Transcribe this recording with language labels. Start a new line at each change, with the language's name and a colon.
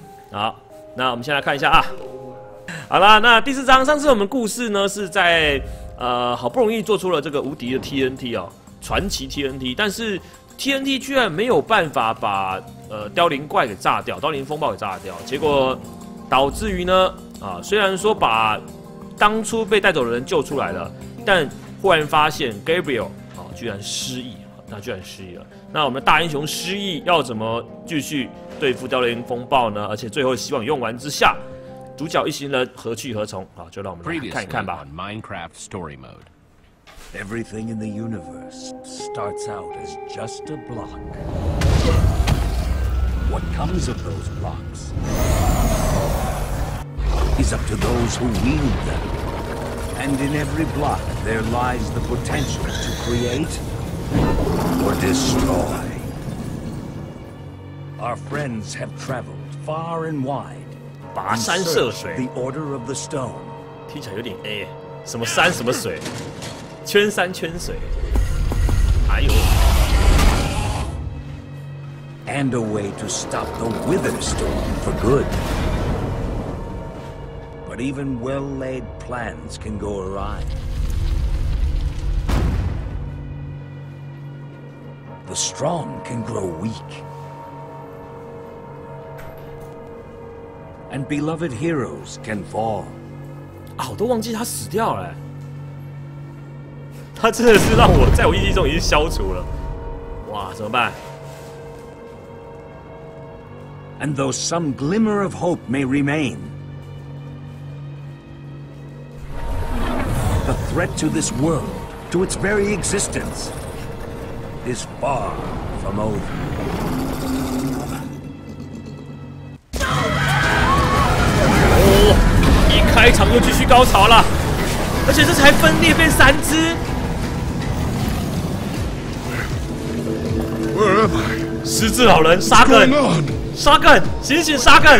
Chinese: 好，那我们先来看一下啊。好啦，那第四章上次我们故事呢是在好不容易做出了这个无敌的 TNT 哦，传奇 TNT， 但是 TNT 居然没有办法把凋零怪给炸掉，凋零风暴给炸掉，结果导致于呢虽然说把当初被带走的人救出来了，但忽然发现 Gabriel 居然失忆，那居然失忆了。那我们大英雄失忆要怎么继续对付凋零风暴呢？而且最后希望用完之下，主角一行人何去何从？好，就让我们来看一看吧。
English: Minecraft Story Mode. Everything in the universe starts out as just a block. What comes of those blocks is up to those who wield them. And in every block, there lies the potential to create or destroy. Our friends have traveled far and wide.
Chinese: 跋山涉水。
English: The order of the stone.
Chinese: 听起来有点 A， 什么山什么水，圈山圈水。哎呦。
English: And a way to stop the Wither Stone for good. But even well-laid plans can go awry. The strong can grow weak. And beloved heroes can fall.
Chinese: 啊，我都忘记他死掉了。他真的是让我在我意识中已经消除了。哇，怎么办？
English: And though some glimmer of hope may remain,The threat to this world, to its very existence, is far from over.
Chinese: Oh, 一开场又继续高潮了，而且这才分裂变三只。
English: Where am I?
Chinese: 十字老人，沙根，沙根，醒醒，沙根。